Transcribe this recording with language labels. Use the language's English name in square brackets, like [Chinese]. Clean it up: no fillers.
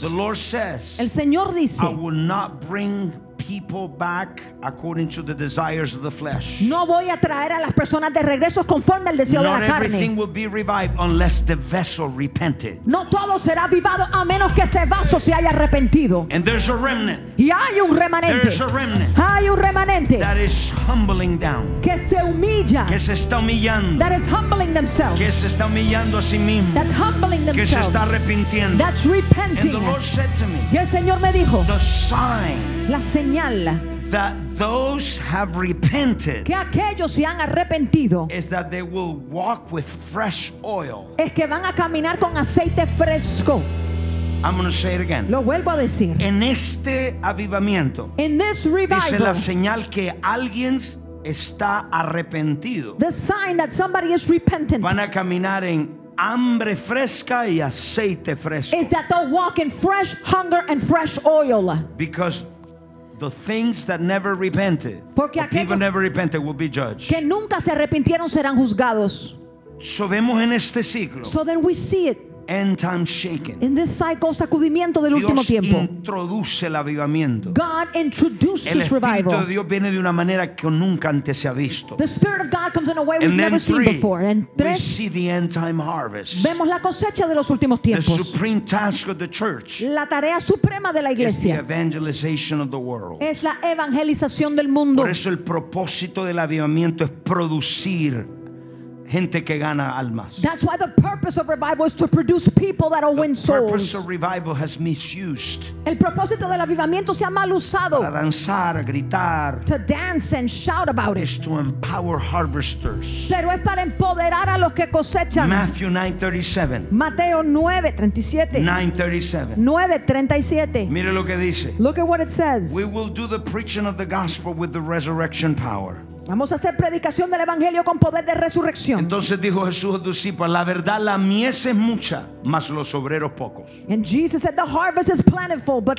[English] The Lord says, [Spanish] el Señor dice, [English] I will not bring people back according to the desires of the flesh. [Spanish] No voy a traer a las personas de regreso conforme al deseo [English] Not [Spanish] de la carne. [English] Not everything will be revived unless the vessel repented. [Spanish] No todo será avivado a menos que ese vaso se haya arrepentido. [English] And there's a remnant. [Spanish] Y hay un remanente. [English] There's a remnant. [Spanish] Hay un remanente. [English] That is humbling down. [Spanish] Que se humilla. Que se está humillando. [English] That is humbling themselves. [Spanish] Que se está humillando a sí mismo. [English] That's humbling themselves. [Spanish] Que se está arrepintiendo. [English] That's repenting. And the Lord said to me. [Spanish] Y el Señor me dijo. [English] The sign. [Spanish] La señal. [English] That those have repented. [Spanish] Que aquellos se han arrepentido. [English] Is that they will walk with fresh oil. [Spanish] Es que van a caminar con aceite fresco. [English] I'm going to say it again. [Spanish] Lo vuelvo a decir. En este avivamiento. [English] In this revival. [Spanish] Dice la señal que alguien está arrepentido. [English] The sign that somebody is repentant. [Spanish] Van a caminar en hambre fresca y aceite fresco. [English] Is that they'll walk in fresh hunger and fresh oil. Because the things that never repented, [Spanish] porque [English] the people never repented will be judged. [Spanish] Que nunca se arrepintieron serán juzgados. So vemos en este ciclo. [English] So then we see it. End time shaking. In this cycle, [Spanish] sacudimiento del último tiempo. Dios introduce el avivamiento. [English] God introduces revival. [Spanish] El Espíritu de Dios viene de una manera que nunca antes se ha visto. [English] The Spirit of God comes in a way we've never seen before. And three, we see the end time harvest. [Spanish] Vemos la cosecha de los últimos tiempos. [English] The supreme task of the church. [Spanish] La tarea suprema de la iglesia. [English] Is the evangelization of the world. [Spanish] Es la evangelización del mundo. Por eso el propósito del avivamiento es producir gente que gana almas. [English] That's why the purpose of revival is to produce people that will win souls. The purpose of revival has misused. [Spanish] El propósito del avivamiento se ha mal usado. Para danzar, gritar. [English] To dance and shout about it. Es to empower harvesters. [Spanish] Pero es para empoderar a los que cosechan. [English] Matthew 9:37. [Spanish] Mateo 9:37. 9:37. 9:37. Mire lo que dice. [English] Look at what it says. We will do the preaching of the gospel with the resurrection power. [Spanish] Vamos a hacer predicación del evangelio con poder de resurrección. Entonces dijo Jesús a sus discípulos: La verdad, la mies es mucha, mas los obreros pocos. [English] And Jesus said, the harvest is plentiful, but